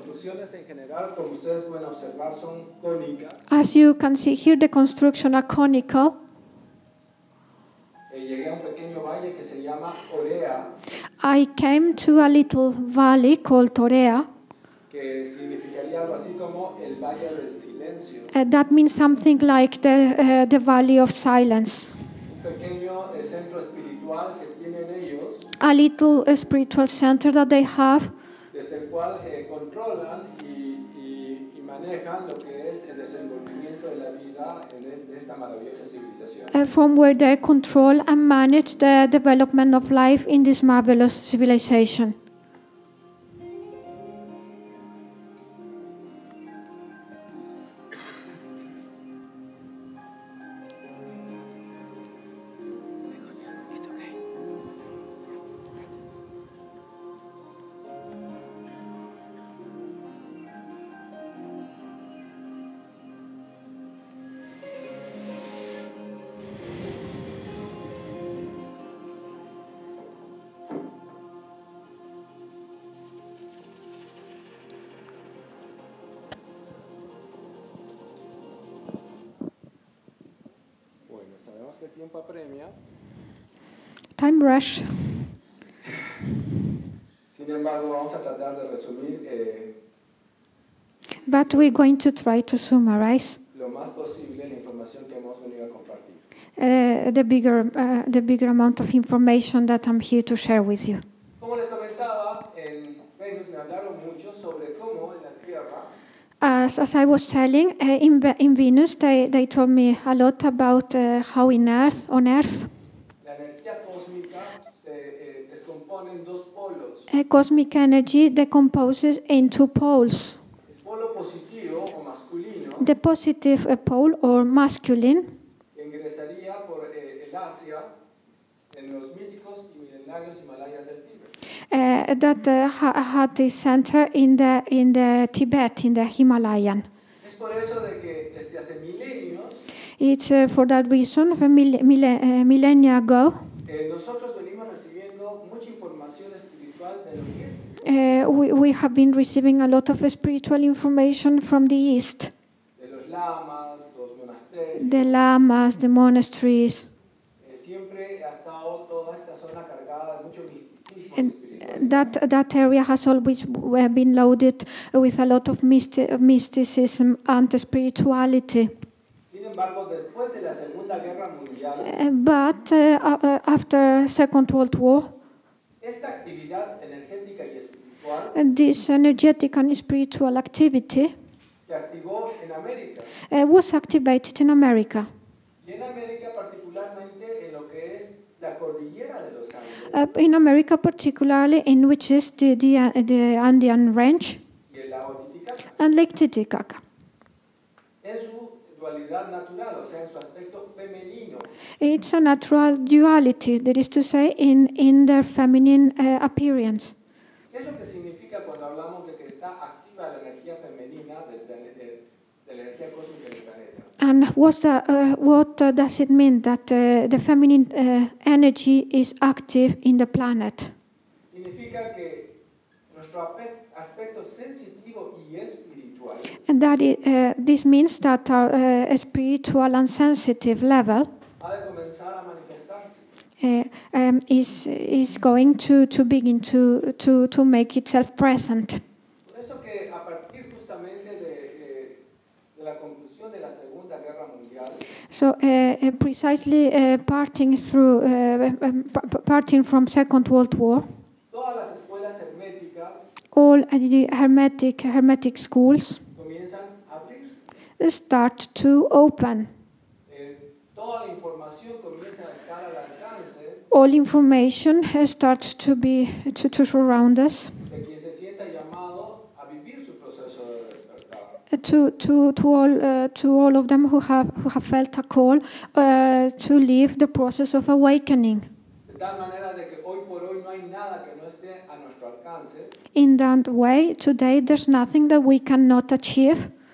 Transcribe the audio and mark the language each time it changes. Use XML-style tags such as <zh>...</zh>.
<es>construcciones en general, como ustedes pueden observar, son cónicas.</es> <en>As you can see here, the construction are conical.</en> <es>Llegué a un pequeño valle que se llama Orea.</es> <en>I came to a little valley called Orea.</en> <es>Que significaría algo así como el valle del silencio.</es> <en>That means something like the valley of silence.</en> <es>Un pequeño centro espiritual que tienen ellos.</es> <en>A little spiritual center that they have.</en> <es>Desde el cual controlan y manejan lo que es el desenvolvimiento de la vida en esta maravillosa civilización.</es> <en>From where they control and manage the development of life in this marvelous civilization. Time rush.</en> <es>Sin embargo, vamos a tratar de resumir,</es> <en>but we're going to try to summarize</en> <es>lo más posible la información que hemos venido a compartir.</es> <en>The bigger amount of information that I'm here to share with you.</en> <es>Como les comentaba, en Venus me hablaron mucho sobre cómo en la Tierra.</es> <en>As I was telling, in Venus, they told me a lot about how on Earth,</en> <es>la energía cósmica se descompone en dos polos.</es> <en>Cosmic energy decomposes in two poles.</en> <es>El polo positivo o masculino.</es> <en>The positive pole or masculine.</en> <es>Ingresaría por el Asia en los míticos y milenarios Himalayas del Tíbet.</es> <en>That had the center in the Tibet, in the Himalayan.</en> <es>Es por eso de que desde hace milenios,</es> <en>it's for that reason, millennia ago,</en> <es>nosotros venimos recibiendo mucha información espiritual del Oriente.</es> <en>We have been receiving a lot of spiritual information from the East.</en> <es>De los lamas, los monasterios.</es> <en>The lamas, the monasteries.</en> <es>Siempre ha estado toda esta zona cargada de mucho misticismo.</es> <en>That area has always been loaded with a lot of mysticism and spirituality.</en> <es>Sin embargo, después de la Segunda Guerra Mundial,</es> <en>after Second World War,</en> <es>esta actividad energética y espiritual,</es> <en>this energetic and spiritual activity</en> <es>se activó en América,</es> <en>was activated in America.</en> <es>Y en América, particularmente en lo que es la cordillera de los Andes.</es> <en>In America, particularly in which is the Andean Range and Lake Titicaca.</en> <es>En su dualidad natural, o sea, en su aspecto femenino.</es> <en>It's a natural duality, that is to say, in their feminine appearance.</en> <es>¿Qué es lo que significa cuando hablamos de que está activa la energía femenina de la energía cósmica del planeta?</es> <en>And what does it mean that the feminine energy is active in the planet?</en> <es>Significa que nuestro aspecto sensitivo y espiritual.</es> <en>And that this means that our spiritual and sensitive level</en> <es>ha de comenzar a manifestarse.</es> <en>Is going to begin to make itself present.</en> <es>Por eso que a partir justamente de la conclusión de la Segunda Guerra Mundial.</es> <en>So precisely parting from Second World War.</en> <es>Todas las escuelas herméticas,</es> <en>all the hermetic schools</en> <es>comienzan a abrirse.</es> <en>Start to open.</en> <es>Toda la información comienza a estar al alcance.</es> <en>All information starts to be to surround us.</en> <es>De quien se sienta llamado a vivir su proceso de despertar.</es> <en>To all of them who have felt a call to live the process of awakening.</en> <es>De tal manera de que hoy por hoy no hay nada que no esté a nuestro alcance.</es> <en>In that way, today there's nothing that we cannot achieve.</en>